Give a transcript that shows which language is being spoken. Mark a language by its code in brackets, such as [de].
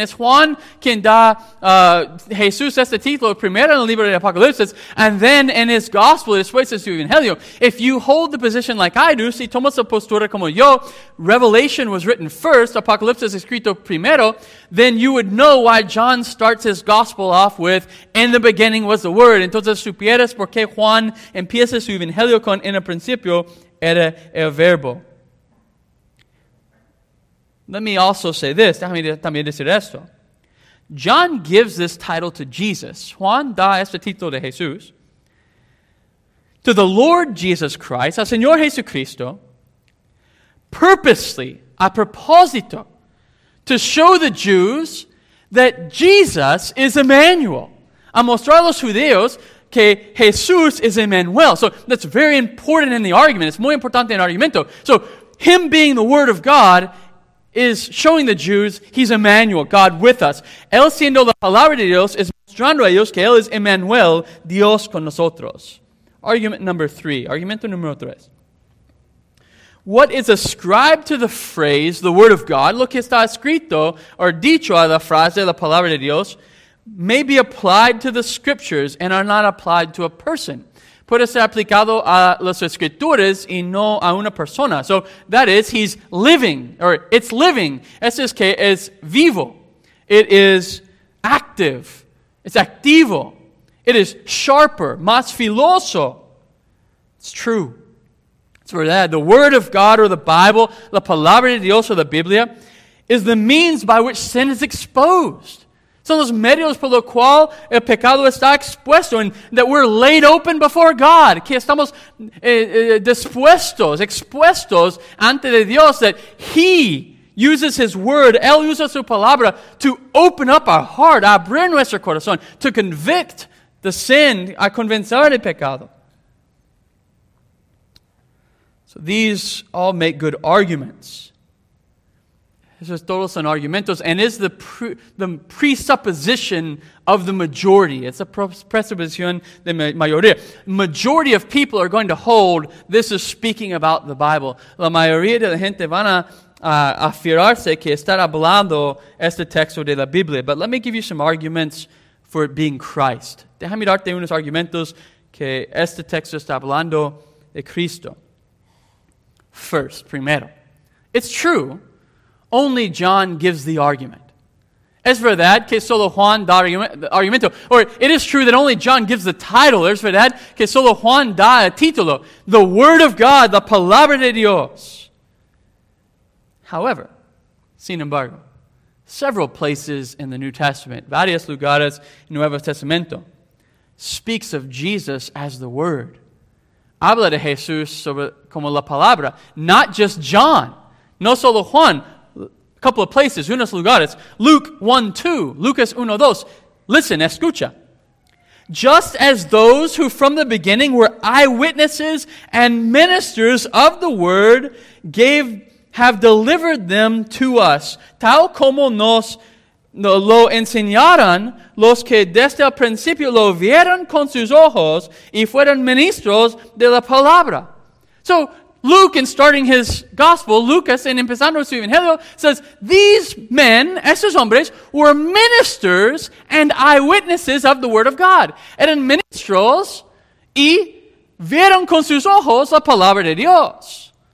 [es] It's Juan quien da Jesús este título primero en el libro de Apocalipsis, [en] and then in his gospel, [es] después en su evangelio. [en] If you hold the position like I do, [es] si tomas la postura como yo, [en] Revelation was written first, [es] Apocalipsis escrito primero, [en] then you would know why John starts his gospel off with, in the beginning was the Word. [es] Entonces supieras por qué Juan empieza su evangelio con en el principio era el verbo. [en] Let me also say this. [es] Déjame también decir esto. [en] John gives this title to Jesus. [es] Juan da este título de Jesús. [en] To the Lord Jesus Christ, [es] al Señor Jesucristo, [en] purposely, [es] a propósito, [en] to show the Jews that Jesus is Emmanuel. [es] A mostrar a los judíos que Jesús is Emmanuel. [en] So that's very important in the argument. It's [es] muy importante en el argumento. [en] So him being the Word of God is showing the Jews he's Emmanuel, God with us. [es] Él siendo la palabra de Dios es mostrando a ellos que él es Emmanuel, Dios con nosotros. [en] Argument number three. [es] Argumento número tres. [en] What is ascribed to the phrase, the Word of God, [es] lo que está escrito or dicho a la frase, la palabra de Dios, [en] may be applied to the scriptures and are not applied to a person. [es] Puede ser aplicado a las escrituras y no a una persona. [en] So that is, he's living, or it's living. [es] Eso es que es vivo. [en] It is active. [es] It's activo. [en] It is sharper, [es] más filoso. [en] It's true. It's verdad. The word of God or the Bible, [es] la palabra de Dios [en] or the Biblia, is the means by which sin is exposed. [es] Son los medios por lo cual el pecado está expuesto, [en] and that we're laid open before God. [es] Que estamos dispuestos, expuestos ante de Dios, [en] that he uses his word, [es] él usa su palabra [en] to open up our heart, [es] abrir nuestro corazón, [en] to convict the sin, [es] a convencer el pecado. [en] So these all make good arguments. This is [es] todos son argumentos, [en] and is the presupposition of the majority. It's a [es] presupposición de mayoría. [en] Majority of people are going to hold this is speaking about the Bible. [es] La mayoría de la gente van a afirmarse que está hablando este texto de la Biblia. [en] But let me give you some arguments for it being Christ. [es] Déjame darte unos argumentos que este texto está hablando de Cristo. [en] First, primero, it's true. Only John gives the argument. [es] Es verdad que solo Juan da argumento. [en] Or it is true that only John gives the title. [es] Es verdad que solo Juan da el título. [en] The word of God, [es] la palabra de Dios. [en] However, [es] sin embargo, [en] several places in the New Testament, [es] varios lugares en Nuevo Testamento, [en] speaks of Jesus as the word. [es] Habla de Jesús sobre, como la palabra. [en] Not just John. [es] No solo Juan. [en] A couple of places, [es] unos lugares. [en] Luke 1:2, Lucas 1:2. Listen, escucha. Just as those who from the beginning were eyewitnesses and ministers of the word have delivered them to us, [es] tal como nos lo enseñaron los que desde el principio lo vieron con sus ojos y fueron ministros de la palabra. [en] So, Luke, in starting his gospel, Lucas, [es] in empezando su evangelio, [en] says, these men, [es] esos hombres, [en] were ministers and eyewitnesses of the word of God. [es] Eran ministros y vieron con sus ojos la palabra de Dios.